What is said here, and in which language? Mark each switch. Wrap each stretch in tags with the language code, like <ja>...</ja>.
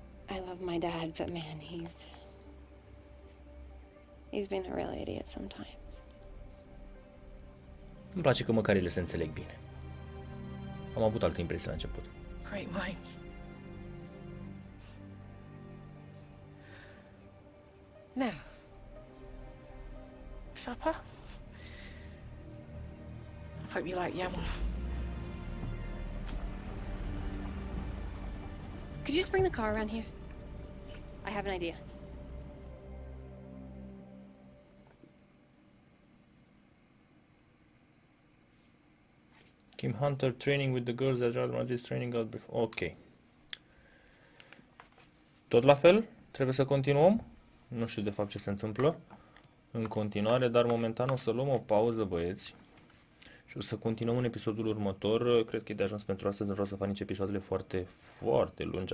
<en>I love my dad, but man, he's been a real idiot sometimes.</en> <ro>Îmi place că măcar ele se înțeleg bine. Am avut alte impresii la început.</ro> <en>Great minds Now, supper? Hope you like yam. Could you just bring the car around here? I have an idea. Kim Hunter training with the girls at Jal Majis training out before. Ok.</en> <ro>Tot la fel, trebuie să continuăm. Nu știu de fapt ce se întâmplă în continuare, dar momentan o să luăm o pauză, băieți. Și o să continuăm în episodul următor. Cred că e de ajuns pentru astăzi, nu vreau să fac nici episoadele foarte, foarte lungi.</ro>